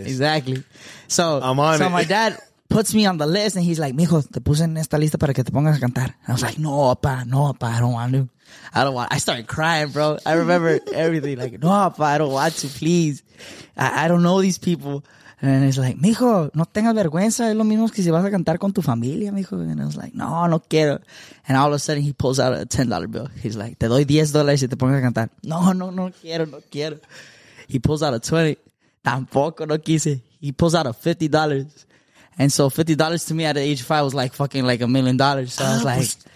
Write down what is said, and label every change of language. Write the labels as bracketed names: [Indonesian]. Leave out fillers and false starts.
[English] Exactly. So, I'm on so my dad puts me on the list, and he's like, [Spanish] mijo, te puse en esta lista para que te pongas a cantar. [English] And I was like, [Spanish] no, apa, [English] I don't want to. I started crying, bro. I remember everything. Like, [Spanish] no, apa, [English] I don't want to, please. I don't know these people. And it's like, [Spanish] mijo, no tengas vergüenza. Es lo mismo que si vas a cantar con tu familia, mijo. [English] And I was like, [Spanish] no, no quiero. [English] And all of a sudden, he pulls out a $10 bill. He's like, [Spanish] te doy $10 si te pongas a cantar. No quiero. [English] He pulls out a $20. [Spanish] Tampoco no quise. [English] He pulls out a $50. And so $50 to me at the age of 5 was like fucking like $1 million. So I was like,